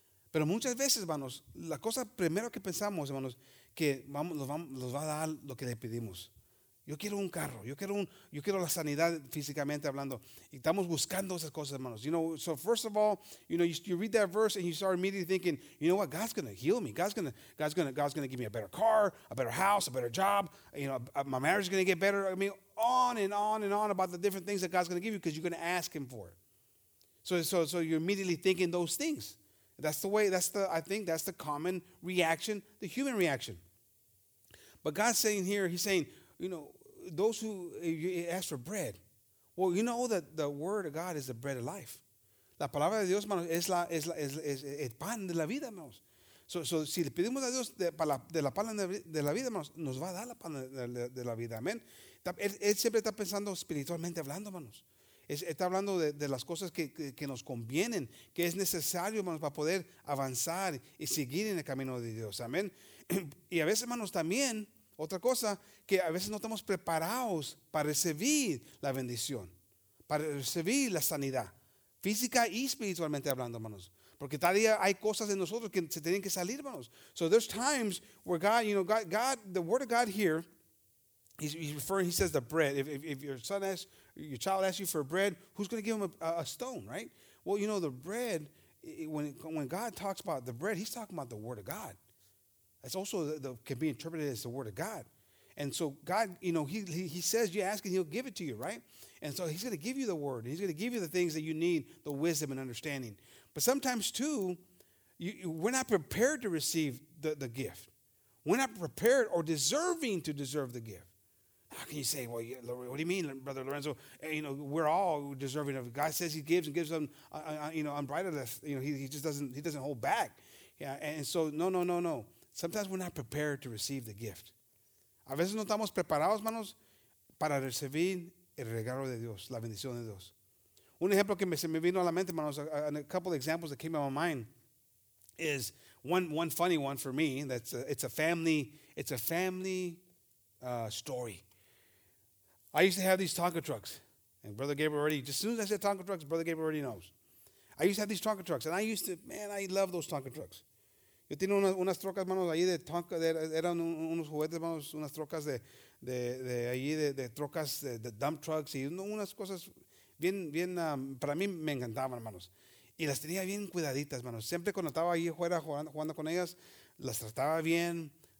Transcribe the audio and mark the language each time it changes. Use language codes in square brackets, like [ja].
[es] Pero muchas veces, hermanos, la cosa primero que pensamos, hermanos, que nos va a dar lo que le pedimos. Yo quiero un carro, yo quiero la sanidad físicamente hablando. Y estamos buscando esas cosas, hermanos. [en] You know, so first of all, you know, you read that verse and you start immediately thinking, you know what, God's going to heal me. God's going to give me a better car, a better house, a better job. You know, my marriage is going to get better. I mean, on and on and on about the different things that God's going to give you because you're going to ask him for it. So you're immediately thinking those things. That's the common reaction, the human reaction. But God's saying here, he's saying, you know, those who ask for bread, well, you know that the word of God is the bread of life. La palabra de Dios, hermanos, es el pan de la vida, hermanos. So si le pedimos a Dios de la pan de la vida, hermanos, nos va a dar la pan de la vida, amén. Él siempre está pensando espiritualmente hablando, hermanos. Está hablando de las cosas que nos convienen, que es necesario, hermanos, para poder avanzar y seguir en el camino de Dios, amén. Y a veces, hermanos, también, otra cosa, que a veces no estamos preparados para recibir la bendición, para recibir la sanidad, física y espiritualmente hablando, hermanos. Porque todavía hay cosas en nosotros que se tienen que salir, hermanos. So there's times where God, you know, God, the word of God here, he's referring, he says the bread. If your son asks, your child asks you for bread, who's going to give him a stone, right? Well, you know, the bread, when God talks about the bread, he's talking about the word of God. It's also the can be interpreted as the word of God. And so God, you know, he says you ask and he'll give it to you, right? And so he's going to give you the word. And he's going to give you the things that you need, the wisdom and understanding. But sometimes, too, we're not prepared to receive the gift. We're not prepared or deserving to deserve the gift. How can you say, well, what do you mean, Brother Lorenzo? You know, we're all deserving of it. God says he gives and gives them, you know, unbridled. You know, he just doesn't hold back. Yeah, and so, no. Sometimes we're not prepared to receive the gift. [es] A veces no estamos preparados, manos, para recibir el regalo de Dios, la bendición de Dios. Un ejemplo que se me vino a la mente, [en] manos, and a couple of examples that came to my mind is one funny one for me. That's it's a family story. I used to have these Tonka trucks, and Brother Gabriel already, just as soon as I said Tonka trucks, Brother Gabriel already knows. I used to have these Tonka trucks, and I love those Tonka trucks. [es] Yo tenía unas trocas, manos, ahí de Tonka, eran unos juguetes, manos, unas trocas de ahí de trocas, de dump trucks, y unas cosas bien, bien, para mí me encantaban, hermanos. Y las tenía bien cuidaditas, hermanos. Siempre cuando estaba ahí afuera jugando con ellas, las trataba bien.